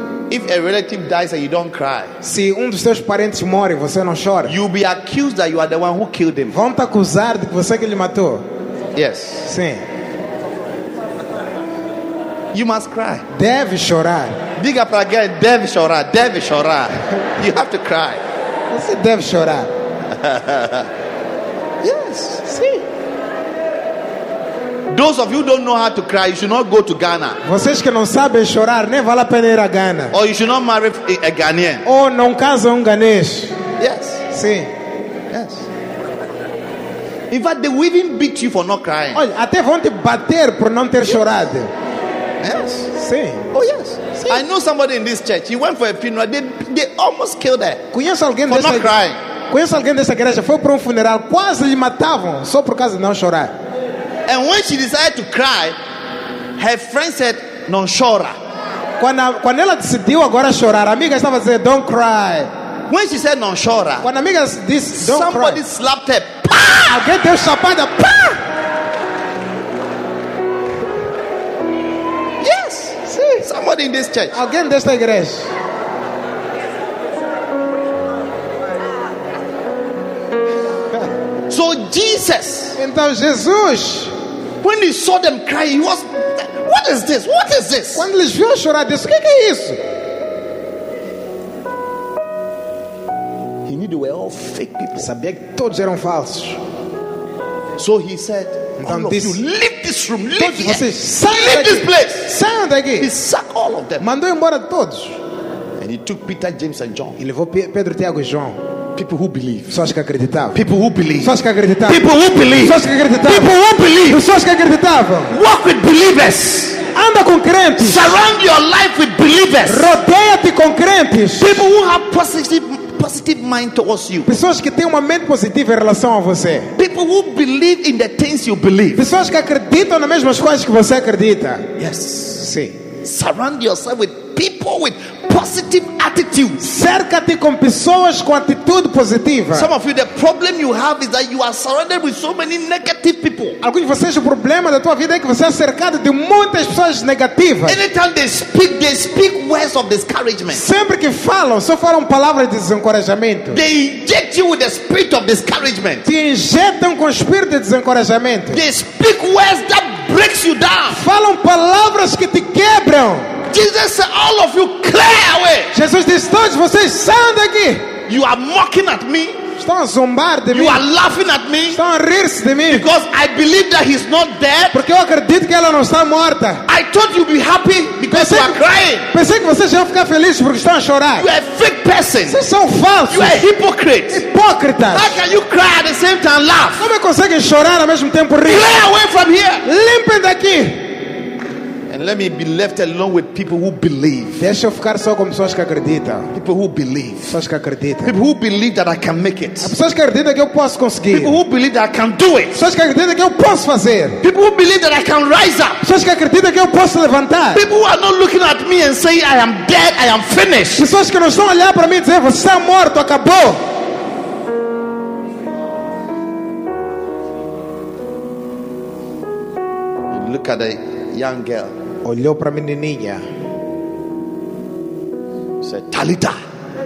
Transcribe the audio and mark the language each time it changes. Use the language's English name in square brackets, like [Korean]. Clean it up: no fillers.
[English] if a relative dies and you don't cry, [Portuguese] se dos seus parentes morre e você não chora, [English] you'll be accused that you are the one who killed him. [Portuguese] Vão te acusar de que você que ele matou. [English] Yes. [Portuguese] Sim. [English] You must cry. [Portuguese] Deve chorar. Diga para alguém, deve chorar, deve chorar. [English] You have to cry. [Portuguese] Você deve chorar. [English] Yes. Those of you who don't know how to cry, you should not go to Ghana. [Portuguese] Vocês que não sabem chorar, nem vale a pena ir a Ghana. [English] Or you should not marry a Ghanaian. [Portuguese] Ou não casa Ghanês. [English] Yes. [Portuguese] Sim. [English] Yes. In fact, they will even beat you for not crying. [Portuguese] Olha, até vão te bater por não ter chorado. [English] Yes. [Portuguese] Sim. [English] Oh yes. [Portuguese] Sim. [English] I know somebody in this church. He went for a funeral. They almost killed her. [Portuguese] Conheço alguém [English] for not crying. [Portuguese] Conheço alguém dessa igreja. Foi para funeral. Quase lhe matavam só por causa de não chorar. [English] And when she decided to cry, her friend said, [Portuguese] "Não chora." Quando ela decidiu agora chorar, a amiga estava dizendo, [English] "Don't cry." When she said, [Portuguese] "Não chora," quando a amiga disse, [English] "Don't somebody somebody slapped her. Pá! [Portuguese] Alguém deu chapada. Pá! [English] Yes. See. Somebody in this church. [Portuguese] Alguém desta igreja. [English] So Jesus. [Portuguese] Então Jesus, [English] when he saw them crying, he was, what is this? What is this? [Portuguese] Quando eles viram chorar, disse, o que é isso? [English] He knew they were all fake people. [Portuguese] Sabia que todos eram falsos. [English] So he said, [Portuguese] então [English] all [Portuguese] disse, [English] of you, leave this room, leave here, leave this place, [Portuguese] saiam daqui. [English] He sacked all of them. [Portuguese] Mandou embora todos. [English] And he took Peter, James, and John. [Portuguese] E levou Pedro, Tiago e João. [English] People who believe. [Portuguese] Só os que acreditavam. [English] People who believe. [Portuguese] Só os que acreditavam. [English] People who believe. [Portuguese] Só os que acreditavam. [English] People who believe. [Portuguese] Só os que acreditavam. [English] Walk with believers. [Portuguese] Anda com crentes. [English] Surround your life with believers. [Portuguese] Rodeia-te com crentes. [English] People who have positive mind towards you. [Portuguese] Pessoas que têm uma mente positiva em relação a você. [English] People who believe in the things you believe. [Portuguese] Pessoas que acreditam nas mesmas coisas que você acredita. [English] Yes. [Portuguese] Sim. [English] Surround yourself with people with positive attitude. [Portuguese] Cerca-te com pessoas com atitude positiva. [English] Some of you, the problem you have is that you are surrounded with so many negative people. [Portuguese] Alguns de vocês, o problema da tua vida é que você é cercado de muitas pessoas negativas. [English] Anytime they speak words of discouragement. [Portuguese] Sempre que falam, só falam palavras de desencorajamento. [English] They inject you with the spirit of discouragement. [Portuguese] Te injetam com o espírito de desencorajamento. [English] They speak words that breaks you down. [Portuguese] Falam palavras que te quebram. [English] Jesus said, "All of you, clear away." [Portuguese] Jesus disse, todos vocês saiam daqui. [English] You are mocking at me. [Portuguese] Estão a zombar de [English] you [Portuguese] mim. [English] You are laughing at me. [Portuguese] Estão a rir-se de mim. [English] Because I believe that he's not dead. [Portuguese] Porque eu acredito que ela não está morta. [English] I thought you'd be happy because you are crying. [Portuguese] Pensei que vocês iam ficar felizes porque estão a chorar. [English] You are a fake person. [Portuguese] Vocês são falsos. [English] You are hypocrites. [Portuguese] Hipócritas. [English] How can you cry at the same time laugh? [Portuguese] Como é que conseguem chorar ao mesmo tempo rir? [English] Clear away from here. [Portuguese] Limpem daqui. [English] Let me be left alone with people who believe. [Portuguese] Deixa eu ficar só com pessoas que acreditam. [English] People who believe. [Portuguese] Pessoas que acreditam. [English] People who believe that I can make it. [Portuguese] Pessoas que acreditam que eu posso conseguir. [English] People who believe that I can do it. [Portuguese] Pessoas que acreditam que eu posso fazer. [English] People who believe that I can rise up. [Portuguese] Pessoas que acreditam que eu posso levantar. [English] People who are not looking at me and saying I am dead, I am finished. [Portuguese] Pessoas que não estão a olhar para mim e dizer você está morto, acabou. [English] You look at a young girl. [Portuguese] Olhou para a menininha. [English] Said, Talita.